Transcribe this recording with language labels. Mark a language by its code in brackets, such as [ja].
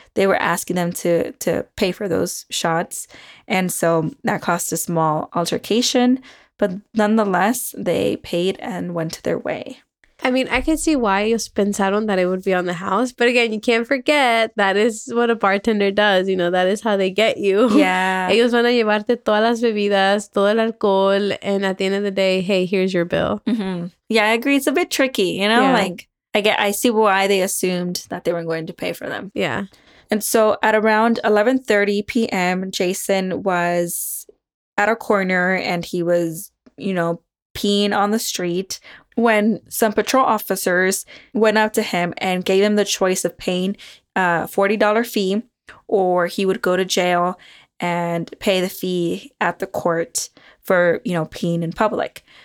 [en] They were asking them to pay for those shots. And so that caused a small altercation, but nonetheless, they paid and went their way. I mean, I could see why you [es] pensaron [en] that it would be on the house. But again, you can't forget that is what a bartender does. You know, that is how they get you. Yeah. [es] Ellos van a llevarte todas las bebidas, todo el alcohol. [en] And at the end of the day, hey, here's your bill. Mm-hmm. Yeah, I agree. It's a bit tricky, you know? Yeah. Like, I see why they assumed that they were going to pay for them. Yeah. And so at around 11:30 p.m., Jason was at a corner and he was, you know, peeing on the street when some patrol officers went up to him and gave him the choice of paying a $40 fee or he would go to jail and pay the fee at the court for, you know, peeing in public.